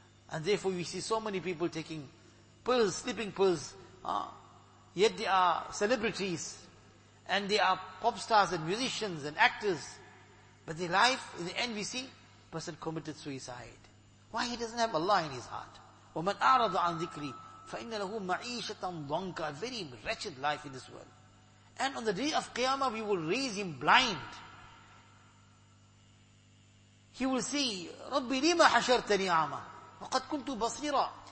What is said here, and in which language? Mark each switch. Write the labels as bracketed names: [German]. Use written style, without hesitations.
[English] And therefore we see so many people taking pills, sleeping pills. Yet they are celebrities and they are pop stars and musicians and actors. But their life, in the end we see, person committed suicide. Why he doesn't have Allah in his heart? [Arabic] وَمَنْ أَعْرَضَ عَنْ ذِكْرِي فَإِنَّ لَهُ مَعِيشَةً ضَنْكَ. [English] A very wretched life in this world. And on the day of Qiyamah, we will raise him blind. He will say, [Arabic] رَبِّ لِمَ حَشَرْتَنِي أَعْمَى وَقَدْ كُنْتُ بَصِيرًا.